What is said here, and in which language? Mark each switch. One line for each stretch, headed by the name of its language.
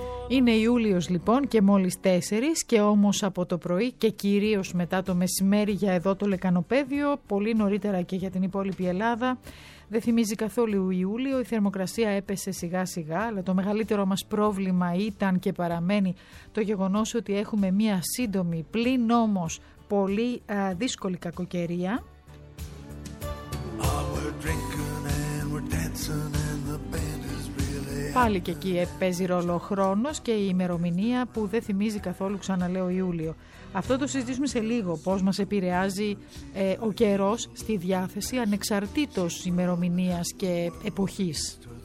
Greek: Είναι Ιούλιος λοιπόν και μόλις 4 και όμως από το πρωί και κυρίως μετά το μεσημέρι για εδώ το Λεκανοπέδιο, πολύ νωρίτερα και για την υπόλοιπη Ελλάδα, δεν θυμίζει καθόλου Ιούλιο, η θερμοκρασία έπεσε σιγά σιγά, αλλά το μεγαλύτερο μας πρόβλημα ήταν και παραμένει το γεγονός ότι έχουμε μία σύντομη πλην όμως πολύ δύσκολη κακοκαιρία.
English: Oh, we're drinking and we're dancing and the band is really
Greek: Πάλι και εκεί παίζει ρόλο ο χρόνος και η ημερομηνία που δεν θυμίζει καθόλου, ξαναλέω, Ιούλιο. Αυτό το συζητήσουμε σε λίγο, πώς μας επηρεάζει ο καιρός στη διάθεση ανεξαρτήτως ημερομηνίας και εποχής.